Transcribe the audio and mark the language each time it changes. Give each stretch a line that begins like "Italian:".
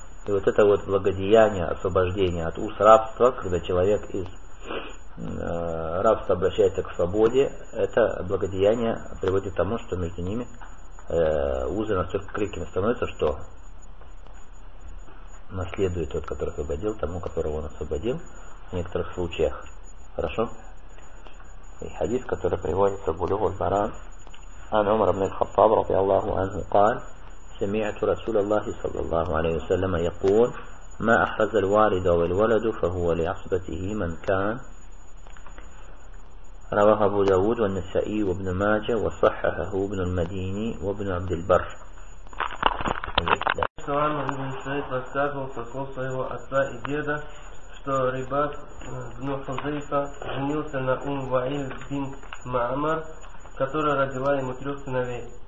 Russian: И вот это вот благодеяние, освобождение от уз рабства, когда человек из рабства обращается к свободе, это благодеяние приводит к тому, что между ними узы настолько крепкими становятся, что наследует тот, который освободил, тому, которого он освободил в некоторых случаях. Хорошо? И хадис, который приводится в Булугу аль-Марам,
Arabic: ан Умар ибн аль-Хаттаб ради Аллаху анху каль: «Самиату Расулаллахи саллаллаху алейхи ва саллям якул: ма ахаза аль-валида ва аль-валаду фа хуа ли асбатихи ман кан». رواه أبو داود والنسائي وابن ماجة وصححه ابن المديني وابن عبد البر. سؤال ابن سعيد
Russian: рассказывал со слов своего отца и деда, что Рибат ибн Хузейфа женился на Ум Ваиль бин Маамар, которая родила ему трех сыновей.